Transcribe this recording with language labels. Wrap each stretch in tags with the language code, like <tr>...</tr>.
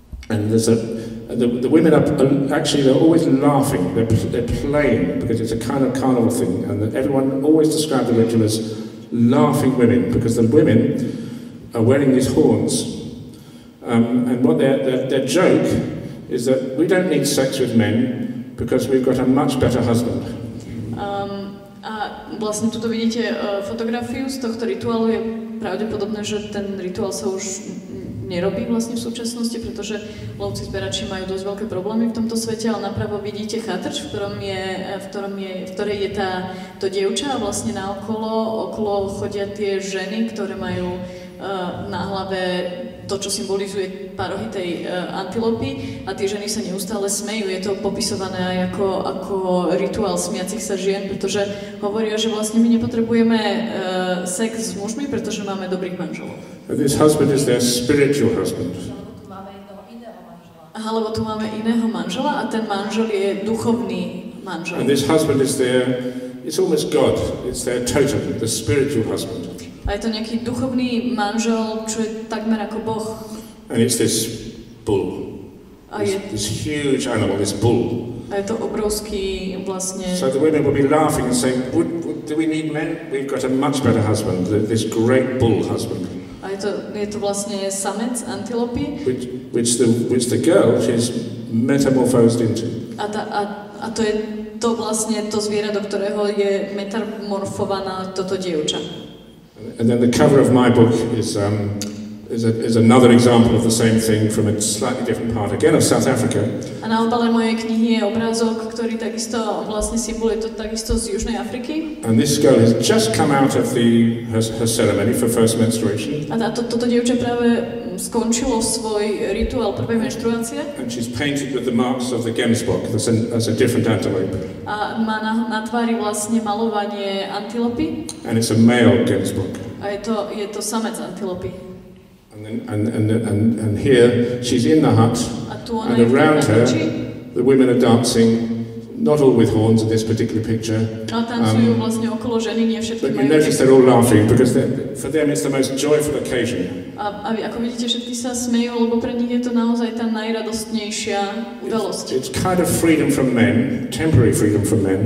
<en>And there's the women actually they're always laughing, they're playing, because it's a kind of carnival thing, and everyone always described the ritual as laughing women, because the women are wearing these horns, and what their joke is that we don't need sex with men because we've got a much better husband.</en> <sk>A vlastne tuto vidíte fotografiu z tohto rituálu. Je pravdepodobné, že ten rituál sa už nerobí vlastne v súčasnosti, pretože lovci zberači majú dosť veľké problémy v tomto svete, ale napravo vidíte chatrč, v ktorej je to dievča, a vlastne okolo chodia tie ženy, ktoré majú na hlave to, čo symbolizuje parohy tej antilopy, a tie ženy sa neustále smejú. Je to popisované aj ako rituál smiacich sa žien, pretože hovoria, že vlastne my nepotrebujeme sex s mužmi, pretože máme dobrých manželov.</sk> <en>And this husband is their spiritual husband.</en> <sk>Alebo tu máme iného manžela, a ten manžel je duchovný manžel.</sk> <en>And this husband is it's almost God, it's their totem, the spiritual husband.</en> <sk>A je to nejaký duchovný manžel, čo je takmer ako Boh.</sk> <en>And it's this bull. This huge animal, this bull.</en> <sk>A je to obrovský vlastne.</sk> <en>So the women will be laughing and saying, do we need men? We've got a much better husband, this great bull husband.</en> <sk>A je to vlastne samec antilopy,</sk> <en>which the girl she's metamorphosed into.</en> <sk>A to je to vlastne to zviera, do ktorého je metamorfovaná toto dievča.</sk> <en>And then the cover of my book is another example of the same thing from a slightly different part, again of South Africa.</en> <sk>A na obale mojej knihy je obrázok, ktorý takisto vlastne symbolizuje to takisto z Južnej Afriky.</sk> <en>And this girl has just come out of her ceremony for first menstruation.</en> <sk>A toto dievče práve skončilo svoj rituál prvej menštruácie.</sk> <en>And she's painted with the marks of the gemsbok, that's a different antelope.</en> <sk>A má na tvári vlastne malovanie antilopy.</sk> <en>And it's a male gemsbok.</en> <sk>A je to samec antilopy.</sk> <en>And here she's in the hut, and around her the women are dancing, not all with horns in this particular picture. But you notice they're all laughing because for them it's the most joyful occasion.</en> <sk>A ako vidíte, všetky sa smejú, lebo pre nich je to naozaj tá najradostnejšia udalosť.</sk> <en>It's kind of freedom from men, temporary freedom from men.</en>